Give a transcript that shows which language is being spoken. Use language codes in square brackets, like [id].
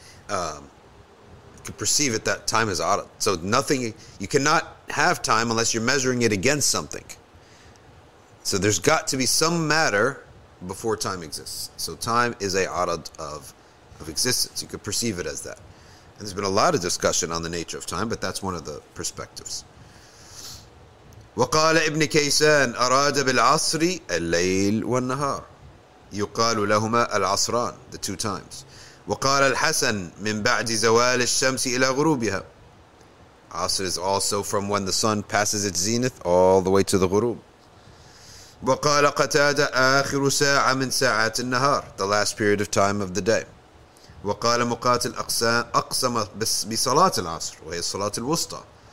[en] You could perceive it that time is a'rad. So nothing, you cannot have time unless you're measuring it against something. So there's got to be some matter before time exists. So time is a arad of existence. You could perceive it as that. And there's been a lot of discussion on the nature of time, but that's one of the perspectives. [ar] وَقَالَ إِبْنِ كَيْسَانَ أَرَادَ بِالْعَصْرِ اللَّيْلُ وَالنَّهَارِ يُقَالُ لَهُمَا الْعَصْرَانِ, [en] the two times. [ar] وَقَالَ الْحَسَنُ مِنْ بَعْدِ زَوَالِ الشَّمْسِ إِلَى غُرُوبِهَا. [en] Asr is also from when the sun passes its zenith all the way to the ghurub. [ar] وَقَالَ قَتَادَ آخِرُ سَاعَةٍ مِنْ سَاعَاتِ النَّهَارِ, [en] the last period of time of the day. [ar] وَقَالَ مُقَاتِلُ أَقْسَمَ بِصَلَاةِ الْعَصْرِ وَهِيَ صَلَاةُ الْوُسْطَى.